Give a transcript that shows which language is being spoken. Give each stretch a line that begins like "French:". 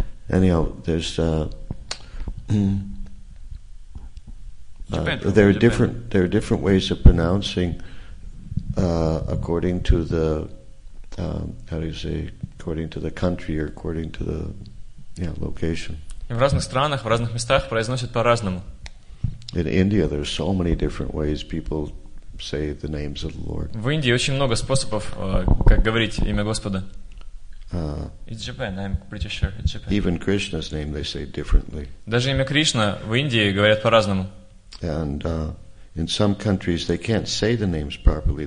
English: Anyhow, there's there are different ways of pronouncing according to the according to the country or according to the location.
Russian: В разных странах, в разных местах произносят по-разному.
English: In India, there's so many different ways people say the names of the Lord.
Russian: В Индии очень много способов, как говорить имя Господа.
English: It's Japan, I'm pretty sure it's Japan. Even Krishna's name they say differently.
Russian: Даже имя Кришна в Индии говорят по-разному.
English: And in some countries they can't say the names properly.